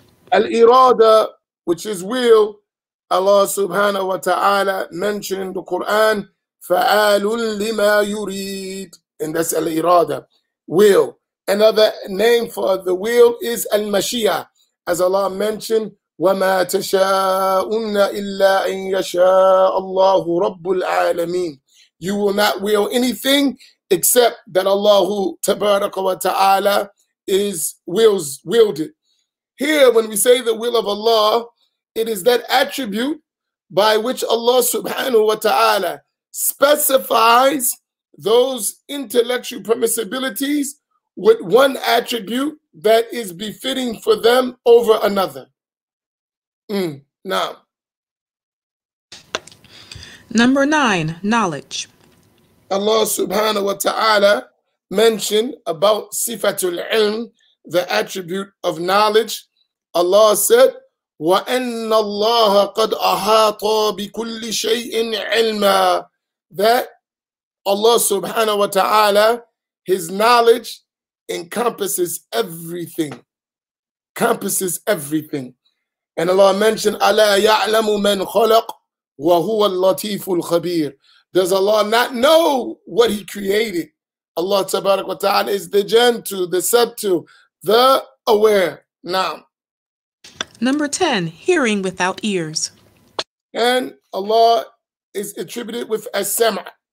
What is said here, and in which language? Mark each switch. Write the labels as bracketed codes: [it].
[en] Al-Irada, which is will, Allah subhanahu wa ta'ala mentioned in the Quran, [ar] fa'alun lima yurid, [en] and that's al-Irada, will. Another name for the will is al-Mashiyah, as Allah mentioned, [ar] وما تشاءون إلا أن يشاء الله رب العالمين. [en] You will not will anything except that Allah تبارك وتعالى is willed. Here, when we say the will of Allah, it is that attribute by which Allah subhanahu wa ta'ala specifies those intellectual permissibilities with one attribute that is befitting for them over another. Now. Number 9, knowledge. Allah subhanahu wa ta'ala mentioned about sifatul ilm, the attribute of knowledge. Allah said, [ar] وَأَنَّ اللَّهَ قَدْ أَحَاطَ بِكُلِّ شَيْءٍ عِلْمًا, [en] that Allah subhanahu wa ta'ala, his knowledge encompasses everything. Encompasses everything. And Allah mentioned, [ar] أَلَا يَعْلَمُ مَنْ خَلَقُ وَهُوَ اللَّطِيفُ الْخَبِيرُ. [en] Does Allah not know what he created? Allah tabarak wa ta'ala is the gentle, the subtle, the aware. Now. Number 10, hearing without ears. And Allah is attributed with as-sam'a.